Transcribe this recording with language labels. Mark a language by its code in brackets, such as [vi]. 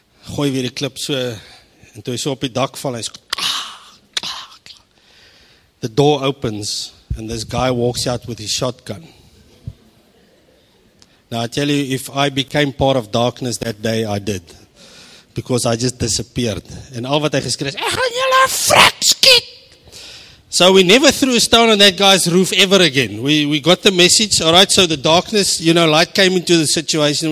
[af] Gooi weer die klip so, en toe hy so op die dak val, hy [en] the door opens, and this guy walks out with his shotgun. Now I tell you, if I became part of darkness that day, I did. Because I just disappeared. And all [af] wat hy geskree het, ek gaan julle frik skiet. [en] So we never threw a stone on that guy's roof ever again. We got the message, all right, so the darkness, you know, light came into the situation.